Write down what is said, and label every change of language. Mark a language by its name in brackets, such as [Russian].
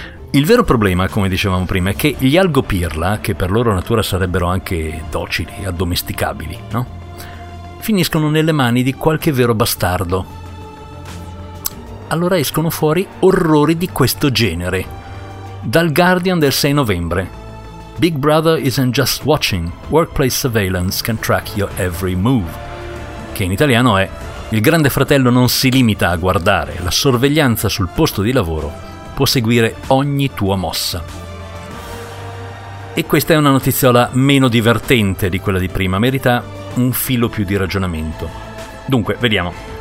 [Italian] Il vero problema, come dicevamo prima, è che gli algopirla, che per loro natura sarebbero anche docili, addomesticabili, no? Finiscono nelle mani di qualche vero bastardo. Allora escono fuori orrori di questo genere. Dal Guardian del 6 novembre. [English] Big Brother isn't just watching, workplace surveillance can track your every move. [Italian] Che in italiano è: il grande fratello non si limita a guardare, la sorveglianza sul posto di lavoro può seguire ogni tua mossa. E questa è una notiziola meno divertente di quella di prima, merita un filo più di ragionamento. Dunque, vediamo.